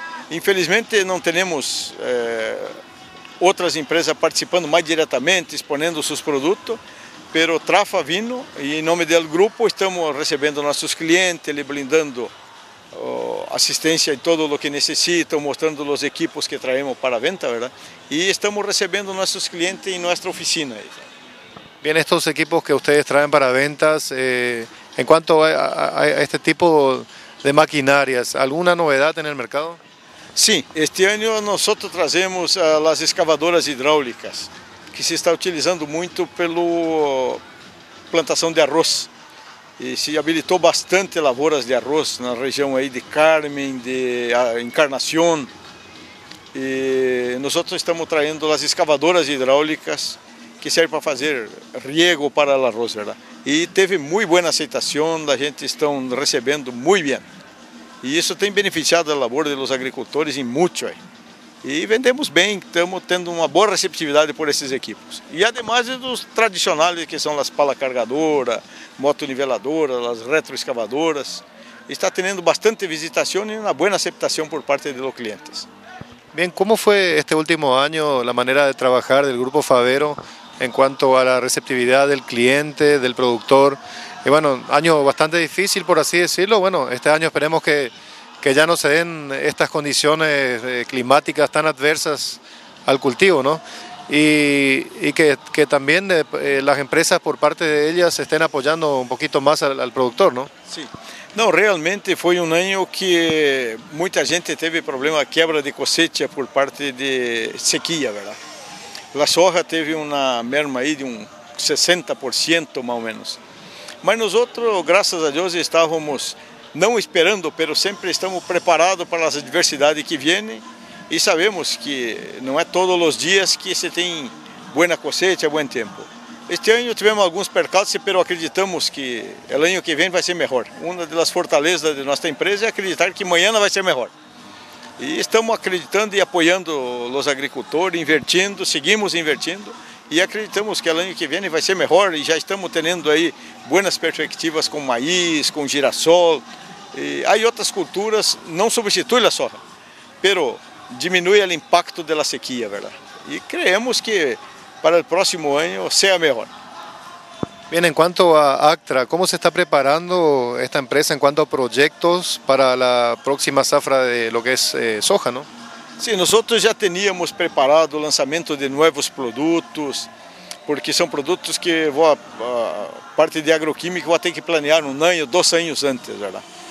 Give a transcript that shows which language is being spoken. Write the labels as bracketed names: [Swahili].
[Portuguese] Infelizmente, não temos outras empresas participando mais diretamente, exponendo seus produtos, mas Trafa vindo e, em nome do grupo, estamos recebendo nossos clientes, lhe blindando assistência em todo o que necessitam, mostrando os equipos que traemos para a venda, verdade? E estamos recebendo nossos clientes em nossa oficina. [Spanish] Bien, estos equipos que ustedes traen para ventas, en cuanto a este tipo de maquinarias, ¿alguna novedad en el mercado? Sí, este año nosotros trazemos las excavadoras hidráulicas, que se está utilizando mucho pela plantación de arroz. Y se habilitó bastante lavoras de arroz en la región ahí de Carmen, de Encarnación. Y nosotros estamos trayendo las excavadoras hidráulicas, que [Portuguese] serve para fazer riego para o arroz, verdade? E teve muito boa aceitação, a gente está recebendo muito bem. E isso tem beneficiado a labor dos agricultores em muito. E vendemos bem, estamos tendo uma boa receptividade por esses equipos. E además dos tradicionais, que são as pala cargadora, moto niveladora, as retroescavadoras, está tendo bastante visitação e uma boa aceitação por parte dos clientes. [Spanish] Bien, ¿cómo fue este último año la manera de trabajar del Grupo Faveiro en cuanto a la receptividad del cliente, del productor? Y bueno, año bastante difícil, por así decirlo. Bueno, este año esperemos que ya no se den estas condiciones climáticas tan adversas al cultivo, ¿no? Y que también las empresas, por parte de ellas, estén apoyando un poquito más al productor, ¿no? Sí. [Portuguese] No, realmente foi um ano que muita gente teve problema, quebra de cosecha por parte de sequia, verdade? A soja teve uma merma aí de 60%, mais ou menos. Mas nós, graças a Deus, estávamos não esperando, mas sempre estamos preparados para as adversidades que vêm. E sabemos que não é todos os dias que se tem boa cosecha, bom tempo. Este ano tivemos alguns percalços, mas acreditamos que o ano que vem vai ser melhor. Uma das fortalezas de nossa empresa é acreditar que amanhã vai ser melhor. E estamos acreditando e apoiando os agricultores, invertindo, seguimos invertindo, e acreditamos que o ano que vem vai ser melhor, e já estamos tendo aí boas perspectivas com maíz, com girassol. E aí outras culturas não substituem a soja, mas diminui o impacto da sequia, verdade? [Spanish] E creemos que para el próximo año sea mejor. Bien, en cuanto a Actra, ¿cómo se está preparando esta empresa en cuanto a proyectos para la próxima zafra de lo que es soja, ¿no? Sí, nosotros ya teníamos preparado el lanzamiento de nuevos productos, porque son productos que a parte de agroquímica va a tener que planear un año, dos años antes, ¿verdad?